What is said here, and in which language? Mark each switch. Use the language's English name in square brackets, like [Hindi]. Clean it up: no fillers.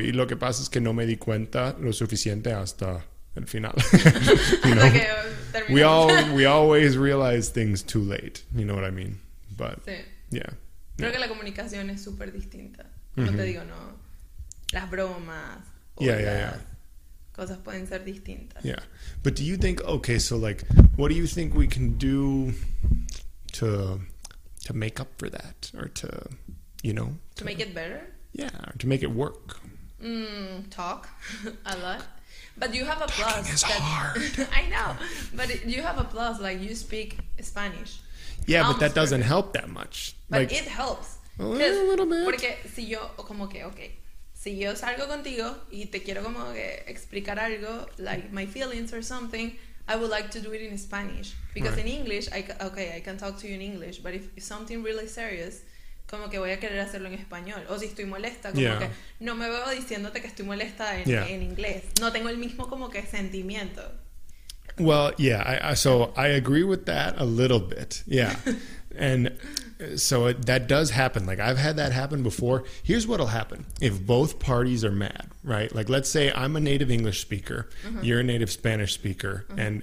[Spanish] Y lo que pasa es que no me di cuenta lo suficiente hasta... El final. [English] You know? Okay, we always realize things too late. You know what I mean? But [Spanish] sí. [English] yeah, [Spanish] creo [English] yeah. [Spanish] que la comunicación es super distinta. Como mm-hmm. te digo, no, las bromas, [English] o yeah, yeah, yeah. [Spanish] cosas pueden ser distintas. [English] Yeah, but do you think? Okay, so like, what do you think we can do to to make up for that, or to, you know, to make it better. Yeah, or to make it work. Talk a lot, but you have a plus. It's hard. I know, but you have a plus. Like, you speak Spanish. Yeah, but that doesn't help that much. But like, it helps. A little bit. [Spanish] Porque si yo como que okay, si yo salgo contigo y te quiero como que explicar algo, [English] like my feelings or something, I would like to do it in Spanish, because right. In English, I can talk to you in English, but if something really serious, [Spanish] como que voy a querer hacerlo en español. O si estoy molesta, como yeah. que no me veo diciéndote que estoy molesta en, yeah. en inglés. No tengo el mismo como que sentimiento. [English] Well, yeah, so I agree with that a little bit. Yeah. And so that does happen. Like, I've had that happen before. Here's what'll happen. If both parties are mad, right? Like, let's say I'm a native English speaker, uh-huh. you're a native Spanish speaker, uh-huh.